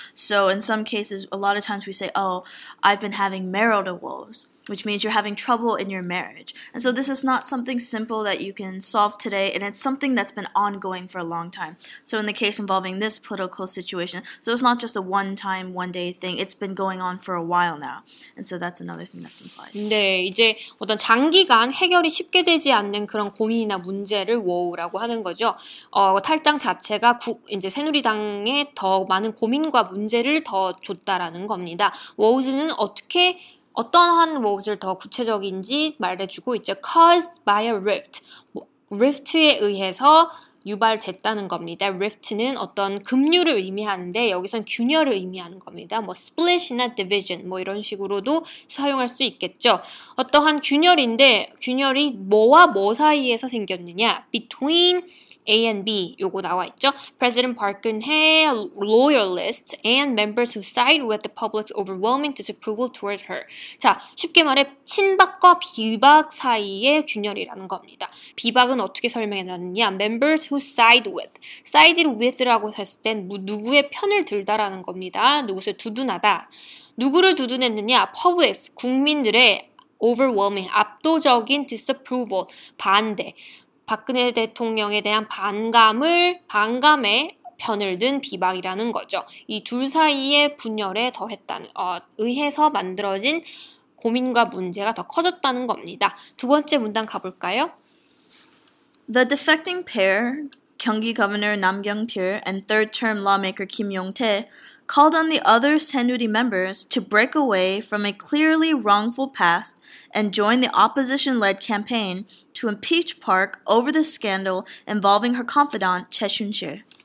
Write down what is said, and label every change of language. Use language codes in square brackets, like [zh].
[en] So in some cases, a lot of times we say, oh, I've been having marital woes, which means you're having trouble in your marriage. And so this is not something simple that you can solve today, and it's something that's been ongoing for a long time. So in the case involving this political situation, so it's not just a one-time, one-day thing. It's been going on for a while now. And so that's another thing that's implied. [ko] 네, 이제 어떤 장기간 해결이 쉽게 되지 않는 그런 고민이나 문제를 woe라고 하는 거죠. 탈당 자체가 이제 새누리당에 더 많은 고민과 문제를 더 줬다라는 겁니다. woes는 어떻게 어떠한 woes를 더 구체적인지 말해주고 있죠. [en] Caused by a rift. [ko] rift에 의해서 유발됐다는 겁니다. rift는 어떤 급류를 의미하는데 여기선 균열을 의미하는 겁니다. 뭐 split이나 division 뭐 이런 식으로도 사용할 수 있겠죠. 어떠한 균열인데 균열이 뭐와 뭐 사이에서 생겼느냐. [en] between A and B [ko] 요거 나와 있죠. [en] President Park Geun-hye, loyalist and members who side with the public's overwhelming disapproval towards her. [ko] 자, 쉽게 말해 친박과 비박 사이의 균열이라는 겁니다. 비박은 어떻게 설명해 놨느냐? [en] Members who side with. [ko] Sided with라고 했을 땐 누구의 편을 들다라는 겁니다. 누구를 두둔하다. 누구를 두둔했느냐? Public's 국민들의 overwhelming 압도적인 disapproval 반대. 박근혜 대통령에 대한 반감에 편을 든 비박이라는 거죠. 이 둘 사이의 분열에 더했다는 의해서 만들어진 고민과 문제가 더 커졌다는 겁니다. 두 번째 문단 가볼까요? [en] The defecting pair, Gyeonggi Governor Nam Kyung-pil and third-term lawmaker Kim Yong-tae, called on the other Saenuri members to break away from a clearly wrongful past and join the opposition-led campaign to impeach Park over the scandal involving her confidant, Choi Soon-sil.